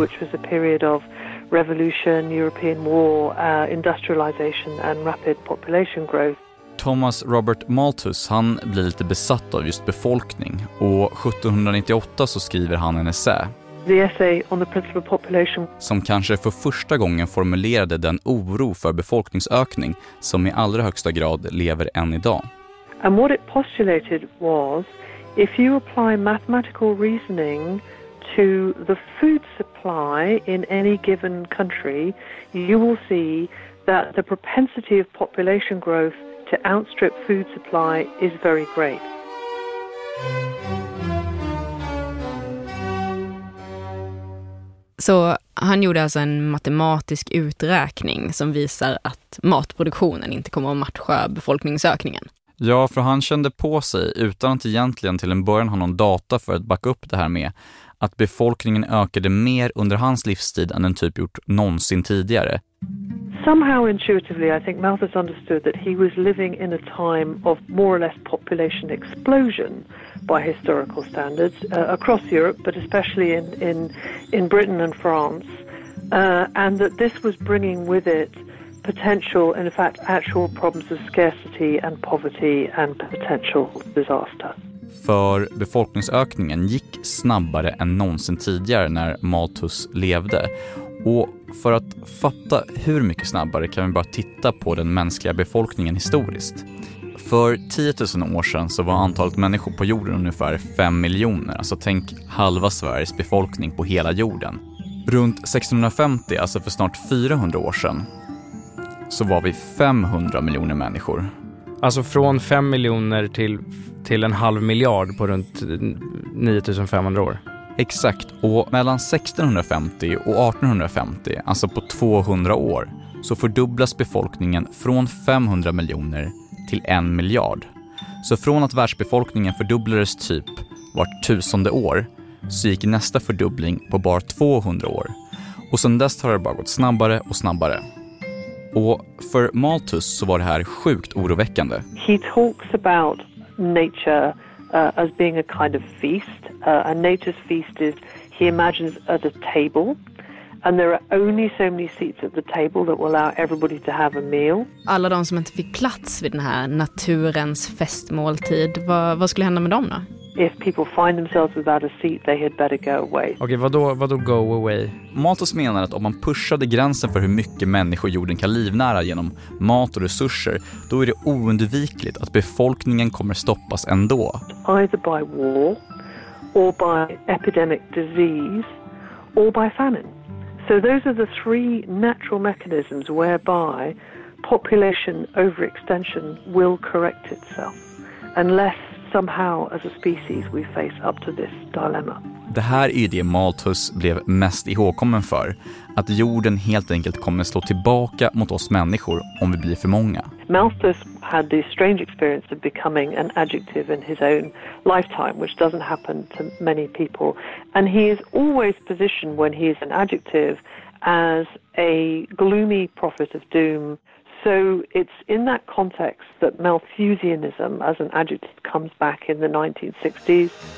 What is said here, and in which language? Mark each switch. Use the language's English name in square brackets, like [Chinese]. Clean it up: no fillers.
[English] which was a period of revolution, European war, industrialization and rapid population growth. [Swedish] Thomas Robert Malthus, han blir lite besatt av just befolkning, och 1798 så skriver han en essä, [English] The Essay on the Principle of Population, [Swedish] som kanske för första gången formulerade den oro för befolkningsökning som i allra högsta grad lever än idag. [English] And what it postulated was, if you apply mathematical reasoning to the food supply in any given country, you will see that the propensity of population growth to outstrip food supply is very great. [Swedish] Så han gjorde alltså en matematisk uträkning som visar att matproduktionen inte kommer att matcha befolkningsökningen. Ja, för han kände på sig, utan att egentligen till en början ha någon data för att backa upp det här med, att befolkningen ökade mer under hans livstid än den typ gjort någonsin tidigare. [English] Somehow intuitively I think Malthus understood that he was living in a time of more or less population explosion by historical standards across Europe, but especially in Britain and France, and that this was bringing with it potential, in fact actual problems of scarcity and poverty and potential disaster. [Swedish] För befolkningsökningen gick snabbare än någonsin tidigare när Malthus levde. Och för att fatta hur mycket snabbare kan vi bara titta på den mänskliga befolkningen historiskt. För 10 000 år sedan så var antalet människor på jorden ungefär 5 miljoner. Alltså tänk halva Sveriges befolkning på hela jorden. Runt 1650, alltså för snart 400 år sedan, så var vi 500 miljoner människor. Alltså från 5 miljoner till en halv miljard på runt 9 500 år. Exakt, och mellan 1650 och 1850, alltså på 200 år, så fördubblas befolkningen från 500 miljoner till 1 miljard. Så från att världsbefolkningen fördubblades typ vart tusende år, så gick nästa fördubbling på bara 200 år. Och sedan dess har det bara gått snabbare och snabbare. Och för Malthus så var det här sjukt oroväckande. [English] He talks about nature as being a kind of feast. A nature's feast is, he imagines, at a table. And there are only so many seats at the table that will allow everybody to have a meal. [Swedish] Alla de som inte fick plats vid den här naturens festmåltid, vad skulle hända med dem då? [English] If people find themselves without a seat, they had better go away. [Swedish] Okej, vadå [English] go away? [Swedish] Malthus menar att om man pushade gränsen för hur mycket människor jorden kan livnära genom mat och resurser, då är det oundvikligt att befolkningen kommer stoppas ändå. [English] Either by war, or by epidemic disease, or by famine. So those are the 3 natural mechanisms whereby population overextension will correct itself, unless somehow as a species we face up to this dilemma. [Swedish] Det här är det Malthus blev mest ihågkommen för, att jorden helt enkelt kommer slå tillbaka mot oss människor om vi blir för många. [English] Malthus had the strange experience of becoming an adjective in his own lifetime, which doesn't happen to many people. And he is always positioned when he is an adjective as a gloomy prophet of doom, So it's in that context that Malthusianism as an adjective comes back in the 1960s.